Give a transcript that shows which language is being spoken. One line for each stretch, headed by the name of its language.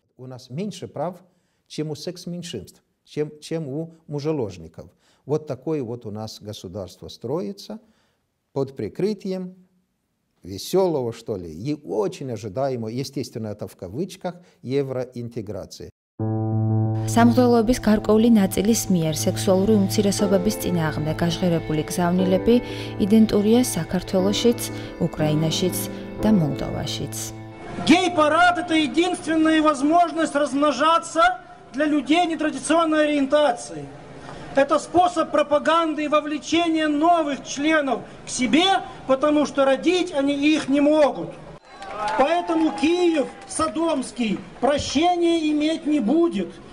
Russian: У нас меньше прав, чем у секс-меньшинств, чем у мужеложников. Вот такое вот у нас государство строится под прикрытием веселого, что ли, и очень ожидаемо, естественно, это в кавычках, евроинтеграции.
Georgian: Самгвелоების გარკვეული ნაწილის მიერ სექსუალური უმცირესობების წინააღმდეგ გაჟღერებული გზავნილები იდენტურია საქართველოშიც, უკრაინაშიც და მოლდოვაშიც.
Russian: Гей-парад это единственная возможность размножаться для людей нетрадиционной ориентации. Это способ пропаганды и вовлечения новых членов к себе, потому что родить они их не могут. Поэтому Киев Содомский прощения иметь не будет.